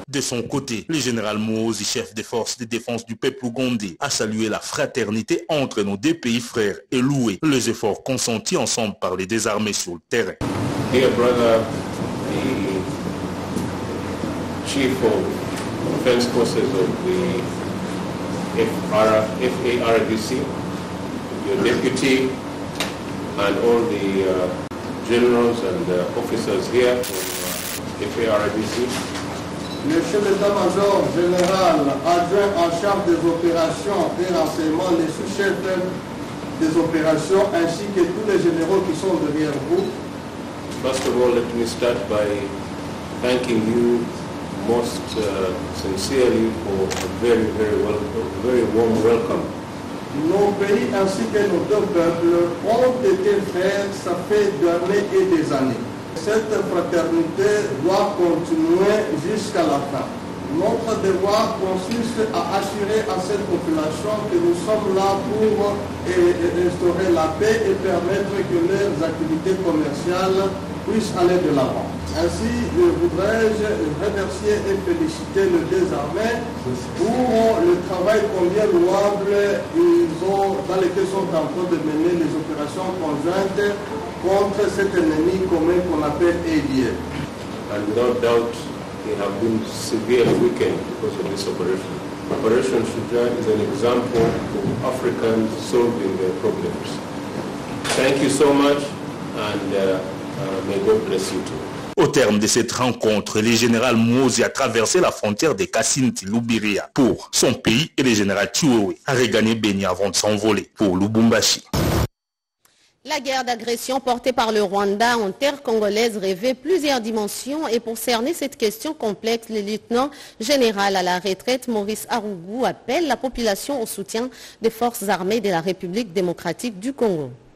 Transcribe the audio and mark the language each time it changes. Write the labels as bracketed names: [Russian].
[French] De son côté, le général Muhoozi, chef des forces de défense du peuple ougandais, a salué la fraternité entre nos deux pays frères et loué les efforts consentis ensemble par les deux armées sur le terrain. [English] Dear brother, the chief of defense forces of the FARDC, your deputy, and all the generals and officers here. [French] Monsieur l'état-major général, adjoint en charge des opérations et renseignements, les sous-chefs des opérations, ainsi que tous les généraux qui sont derrière vous. [English] First of all, let me start by thanking you most sincerely for a very warm welcome. [French] Nos pays ainsi que nos deux peuples ont été frères, ça fait des années et des années. Cette fraternité doit continuer jusqu'à la fin. Notre devoir consiste à assurer à cette population que nous sommes là pour instaurer la paix et permettre que leurs activités commerciales puissent aller de l'avant. Ainsi, je voudrais remercier et féliciter les deux armées pour le travail combien louable ils ont dans lesquels sont en train de mener les opérations conjointes contre cet ennemi commun qu'on appelle ADF. [English] And without doubt, they have been severely weakened because of this operation. Operation Shujaa is an example of Africans solving their problems. Thank you so much and may God bless you too. [French] Au terme de cette rencontre, le général Muhoozi a traversé la frontière de Kassindi-Loubiria pour son pays et le général Tchouwe a regagné Beni avant de s'envoler pour Lubumbashi. La guerre d'agression portée par le Rwanda en terre congolaise revêt plusieurs dimensions et pour cerner cette question complexe, le lieutenant général à la retraite Maurice Arougou appelle la population au soutien des forces armées de la République démocratique du Congo.